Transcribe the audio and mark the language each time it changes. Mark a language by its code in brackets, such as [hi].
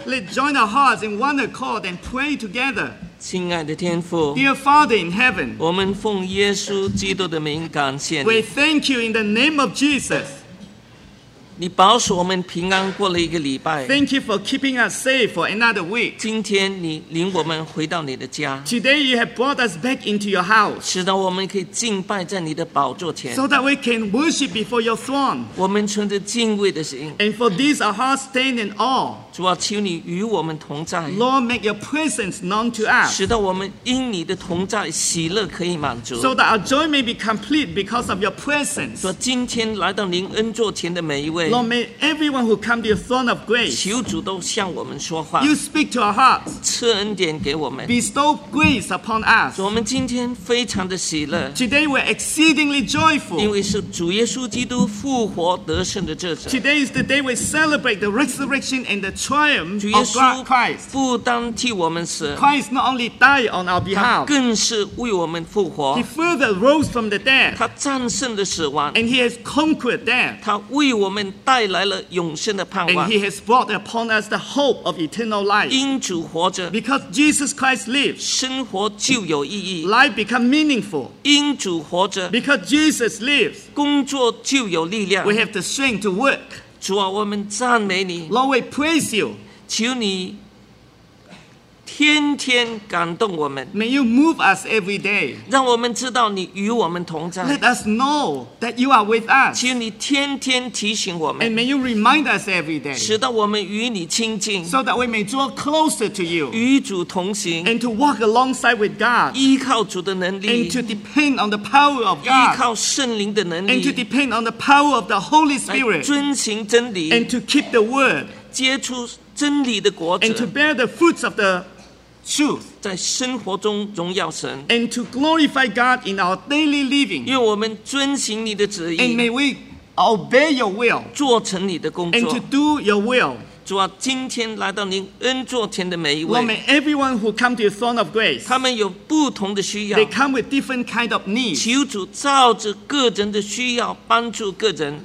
[en] Let's join our hearts in one accord and pray together. [zh] 亲爱的天父 [en] Dear Father in heaven, [zh] 我们奉耶稣基督的名感谢你。 [en] We thank you in the name of Jesus. [zh] 你保守我们平安过了一个礼拜。 [en] Thank you for keeping us safe for another week. [zh] 今天你领我们回到你的家。 [en] Today you have brought us back into your house. [zh] 使得我们可以敬拜在你的宝座前。 [en] So that we can worship before your throne. [zh] 我们存着敬畏的心。 [en] And for this our hearts stand in awe. [zh] 主啊，求你与我们同在。 [en] Lord, make your presence known to us. [zh] 使得我们因你的同在喜乐可以满足。 [en] So that our joy may be complete because of your presence. [zh] 说今天来到您恩座前的每一位。 [en] Lord, may everyone who come to your throne of grace. [zh] 求主都向我们说话。 [en] You speak to our hearts. [zh] 赐恩典给我们。 [en] Bestow grace upon us. [zh] 我们今天非常的喜乐。 [en] Today we're exceedingly joyful. [zh] 因为是主耶稣基督复活得胜的日子。 [en] Today is the day we celebrate the resurrection and the triumph of Christ. [zh] 主耶稣不单替我们死。 [en] Christ not only died on our behalf. [zh] 他更是为我们复活。 [en] He further rose from the dead. [zh] 他战胜了死亡。 [en] And he has conquered death. [zh] 他为我们带来了永生的盼望。 [en] And he has brought upon us the hope of eternal life. [zh] 因主活着。 [en] Because Jesus Christ lives. [zh] 生活就有意义。 [en] Life become meaningful. [zh] 因主活着。 [en] Because Jesus lives. [zh] 工作就有力量。 [en] We have the strength to work. [zh] 主啊，我们赞美你。 [en] Lord, we praise you. [zh] 求你天天感动我们。 [en] May you move us every day. [zh] 让我们知道你与我们同在。 [en] Let us know that you are with us. [zh] 求你天天提醒我们。 [en] And may you remind us every day. [zh] 使得我们与你亲近。 [en] So that we may draw closer to you. [zh] 与主同行。 [en] And to walk alongside with God. [zh] 依靠主的能力。 [en] And to depend on the power of God. [zh] 依靠圣灵的能力。 [en] And to depend on the power of the Holy Spirit. [zh] 遵行真理。 [en] And to keep the word. [zh] 结出真理的果子。 [en] And to bear the fruits of the truth. [zh] 在生活中荣耀神。 [en] And to glorify God in our daily living. [zh] 愿我们遵行你的旨意。 [en] And may we obey your will. [zh] 做成你的工作。 [en] And to do your will. [zh] 主啊，今天来到您恩座前的每一位，我们 [en] everyone who come to the throne of grace， [zh] 他们有不同的需要， [en] they come with different kind of needs， [zh] 求主照着个人的需要帮助个人，